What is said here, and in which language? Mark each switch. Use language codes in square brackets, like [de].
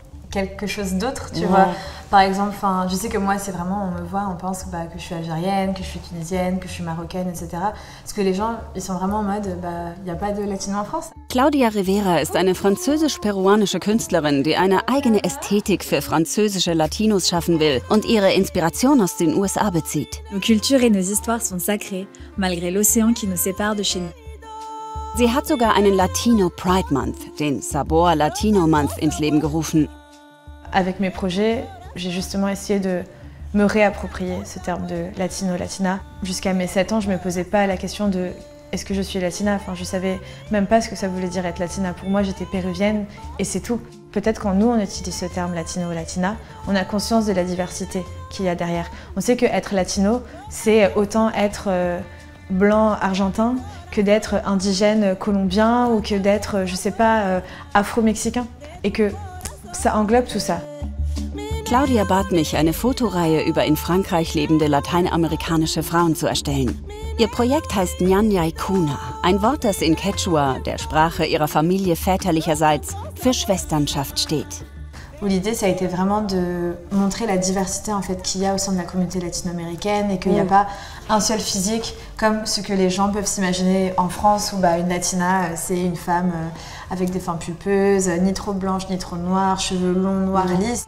[fr] Quelque chose d'autre, tu vois. Par exemple, enfin, je sais que moi, c'est vraiment, on me voit, on pense bah, que je suis algérienne, que je suis tunisienne, que je suis marocaine, etc. Parce que les gens, ils sont vraiment en mode, bah, y a pas de latino en France. [de] Claudia Rivera ist eine französisch-peruanische Künstlerin, die eine eigene Ästhetik für französische Latinos schaffen will und ihre Inspiration aus den USA bezieht. [fr] Nos cultures et nos histoires sont sacrées, malgré l'océan qui nous sépare de Chine. [de] Sie hat sogar einen Latino Pride Month, den Sabor Latino Month, ins Leben gerufen. [fr] Avec mes projets, j'ai justement essayé de me réapproprier ce terme de latino, latina. Jusqu'à mes 7 ans, je ne me posais pas la question de est-ce que je suis latina. Enfin, je ne savais même pas ce que ça voulait dire être latina. Pour moi, j'étais péruvienne et c'est tout. Peut-être quand nous, on utilise ce terme latino, latina, on a conscience de la diversité qu'il y a derrière. On sait qu'être latino, c'est autant être blanc argentin que d'être indigène colombien ou que d'être, je ne sais pas, afro-mexicain. Et que ça englobe tout ça. [de] Claudia bat mich, eine Fotoreihe über in Frankreich lebende lateinamerikanische Frauen zu erstellen. Ihr Projekt heißt Nyanyay Kuna, ein Wort, das in Quechua, der Sprache ihrer Familie väterlicherseits, für Schwesternschaft steht. [fr] L'idée, ça a été vraiment de montrer la diversité en fait qu'il y a au sein de la communauté latino-américaine et qu'il n'y a pas un seul physique comme ce que les gens peuvent s'imaginer en France où bah, une latina, c'est une femme avec des formes pulpeuses, ni trop blanche, ni trop noire, cheveux longs, noirs, lisses.